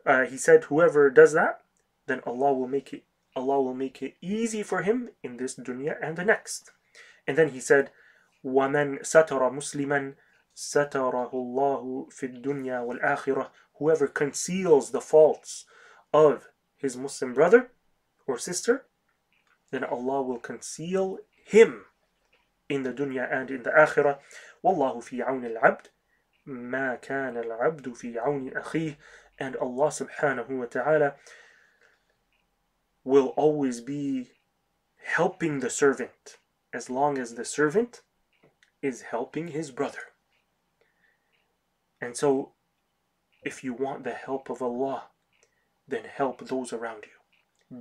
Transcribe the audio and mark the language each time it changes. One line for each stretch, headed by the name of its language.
English: He said, whoever does that, then Allah will make it easy for him in this dunya and the next. And then he said,
Arabic: وَمَنْ سَتَرَ مُسْلِمًا سَتَرَهُ اللَّهُ فِي الدُّنْيَا وَالْآخِرَةِ.
English: Whoever conceals the faults of his Muslim brother or sister, then Allah will conceal him in the dunya and in the akhirah.
Arabic: وَاللَّهُ فِي عَوْنِ الْعَبْدِ مَا كَانَ الْعَبْدُ فِي عَوْنِ أَخِيهِ.
English: And Allah subhanahu wa ta'ala will always be helping the servant as long as the servant is helping his brother. And so, if you want the help of Allah, then help those around you.